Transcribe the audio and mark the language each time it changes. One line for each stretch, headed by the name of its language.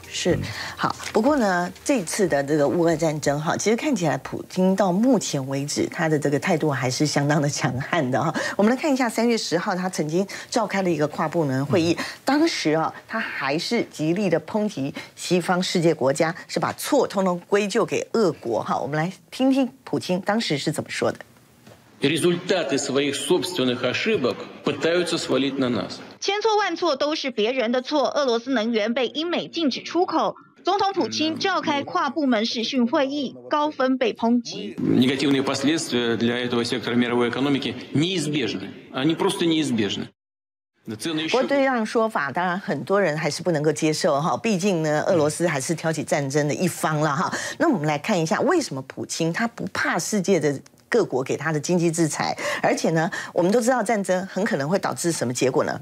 Chinese: 是，好。不过呢，这次的这个乌俄战争哈，其实看起来普京到目前为止他的这个态度还是相当的强悍的哈。我们来看一下3月10号他曾经召开了一个跨部门会议，当时啊他还是极力的抨击西方世界国家是把错通通归咎给俄国哈。我们来听听普京当时是怎么说的。千错万错都是别人的错。俄罗斯能源被英美禁止出口。总统普京召开跨部门视讯会议，高分被抨击。
Russian: Негативные последствия для этого сектора мировой экономики неизбежны. Они просто неизбежны.
Chinese: 不过对这样说法，当然很多人还是不能够接受哈，毕竟呢，俄罗斯还是挑起战争的一方了哈。那我们来看一下，为什么普京他不怕世界的各国给他的经济制裁？而且呢，我们都知道战争很可能会导致什么结果呢？